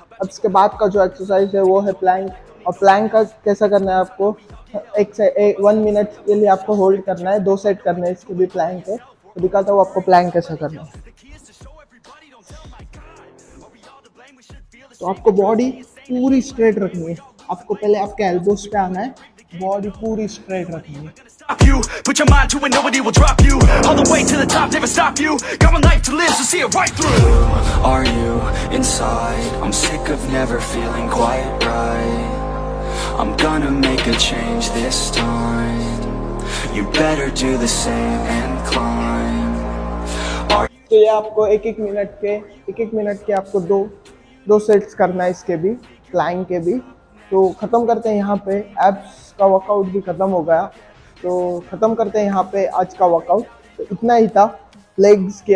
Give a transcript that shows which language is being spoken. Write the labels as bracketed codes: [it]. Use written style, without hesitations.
[hi] अब इसके बाद का जो एक्सरसाइज है वो है प्लैंक, और प्लैंक का कैसा करना है, आपको एक से वन मिनट के लिए आपको होल्ड करना है, दो सेट करना है इसके भी प्लैंक के। तो दिखाता हूँ आपको प्लैंक कैसा करना है। तो आपको बॉडी पूरी स्ट्रेट रखनी है, आपको पहले आपके एल्बोज पे आना है, बॉडी पूरी स्ट्रेट रखनी है। [en] stop you. Put your mind to it, nobody will drop you. All the way to the top, never stop you. Got one life to live, so see it right through. Who are you inside? I'm sick of never feeling quite right. I'm gonna make a change this time. You better do the same and climb. [hi] तो ये आपको एक एक minute के आपको दो sets करना है इसके भी, क्लाइंग के भी. तो ख़त्म करते हैं यहाँ पे, एब्स का वर्कआउट भी ख़त्म हो गया. तो ख़त्म करते हैं यहाँ पे आज का वर्कआउट. तो इतना ही था लेग्स के.